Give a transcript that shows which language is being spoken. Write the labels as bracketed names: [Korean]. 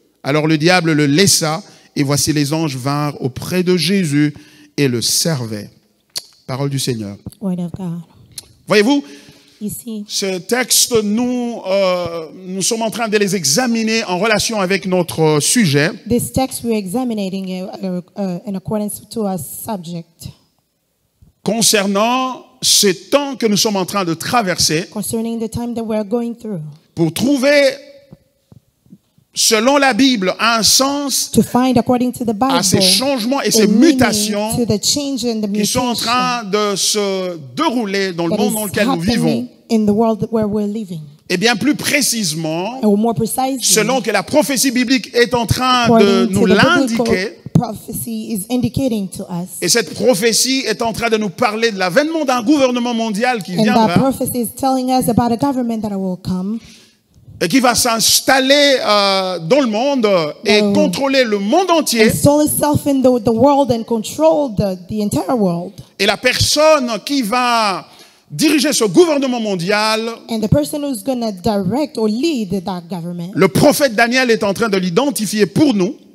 [French] Alors le diable le laissa, et voici les anges vinrent auprès de Jésus et le servaient. Parole du Seigneur. [English] Word of God. [French] Voyez-vous, Ces textes, nous sommes en train de les examiner en relation avec notre sujet. [English] These texts we're examining in accordance to our subject. [French] Concernant ce temps que nous sommes en train de traverser. [English] Concerning the time that we're going through. [French] Pour trouver, selon la Bible, un sens [English] to find, according to the Bible, [French] à ces changements et ces mutations [English] to the change and the [French] qui sont en train de se dérouler dans le monde dans lequel nous vivons. [English] In the world where we're living. [French] Et bien plus précisément, [English] more precisely, [French] selon que la prophétie biblique est en train de nous l'indiquer, [English] prophecy is indicating to us. [French] Et cette prophétie est en train de nous parler de l'avènement d'un gouvernement mondial qui [English] and [French] viendra. [English] That prophecy is telling us about a government that will come. [French] Et qui va s'installer dans le monde et contrôler le monde entier. [English] Install itself in the world and control the entire world. [French] Et la personne qui va diriger ce gouvernement mondial. [English] And the person who's going to direct or lead that government. [French] Le prophète Daniel est en train de l'identifier pour nous.